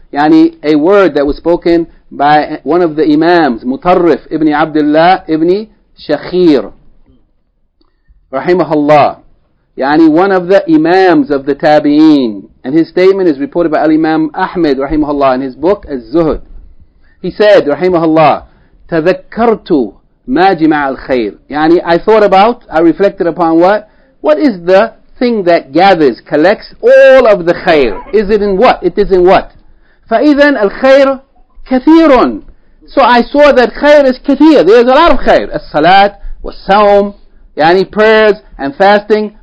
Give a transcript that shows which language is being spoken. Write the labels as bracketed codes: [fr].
[en] Yani, a word that was spoken by one of the Imams, Mutarrif ibn Abdullah ibn Shakhir, rahimahullah. Yani, one of the Imams of the Tabi'een. And his statement is reported by Al-Imam Ahmed, rahimahullah, in his book, Az-Zuhd. He said, rahimahullah, [ar] تَذَكَّرْتُ مَا جِمَعَ الْخَيْرِ. [en] Yani, I thought about, I reflected upon what? What is the thing that gathers, collects all of the khair? Is it in what? It is in what? [ar] فَإِذَنْ الْخَيْرُ كَثِيرٌ. [en] So I saw that khair is kathir. There is a lot of khair. As-salat, was-sawm, yani prayers and fasting.